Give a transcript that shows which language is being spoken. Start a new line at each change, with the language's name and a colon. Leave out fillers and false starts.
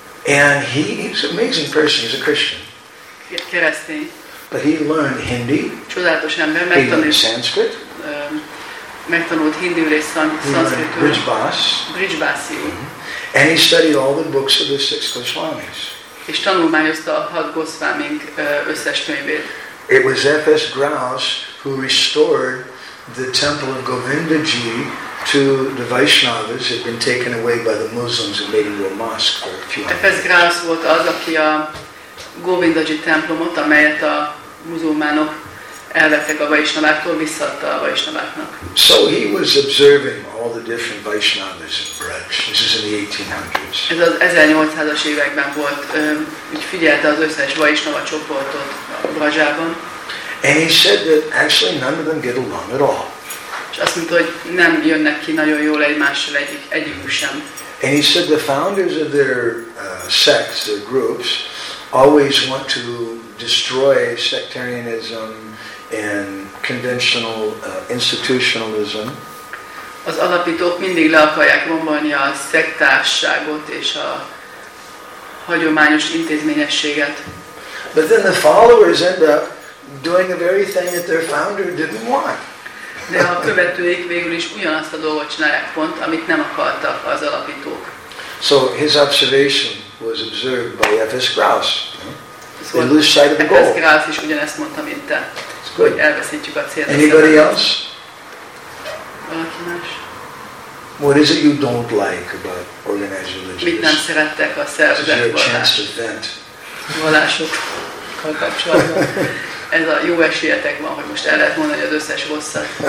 English: And he's an amazing person, he's a Christian.
Hungarian: Keresztény.
English: But he learned Hindi.
Hungarian: Csodálatos ember, megtanult Sanskrit. Megtanult hindiul és szanszkritul. Brijbasi.
English: And he studied all the books of the six Goswamis.
Hungarian: És tanulmányozta a hat Goswamink összes könyvét.
English: It was F.S. Graus who restored the temple of Govindaji to the Vaishnavas had been taken away by the Muslims and made into a mosque for a few hundred years. F.S.
Hungarian: Graus volt az, aki a Govindaji templomot, amelyet a muzulmánok elvettek a Vaishnaváktól, visszaadta a Vaishnaváknak.
English: So he was observing all the different Vaishnavas in Braj. This is in the 1800s.
Hungarian: Ez az 1800-as években volt, úgy figyelte az összes Vaishnava csoportot Brajában.
English: And he said that actually none of them get along at all.
Hungarian: És azt mondta, hogy nem jönnek ki nagyon jól egymással egyikük sem.
English: And he said the founders of their sects, their groups, always want to destroy sectarianism and conventional institutionalism.
Hungarian: Az alapítók mindig le akarják bombolni a szektárságot és a hagyományos intézményességet.
English: But then the followers end up doing the very thing that their founder didn't want.
Hungarian: De a követőik végül is ugyanazt a dolgot csinálják pont, amit nem akartak az alapítók.
English: So his observation was observed by F.S. Graus. They lose sight of the goal.
Hungarian: F.S. Graus is ugyanezt mondta, mint te.
English: It's good.
Hungarian: Elveszítjük a célt.
English: Anybody else?
Hungarian: Valaki más?
English: What is it you don't like about organized religion?
Hungarian: Mit nem szerettek a szervezett
English: vallás? This is your chance to vent.
Hungarian: Vallásokkal kapcsolatban. Ez a jó esélyetek van, hogy most el lehet mondani az összes rosszat.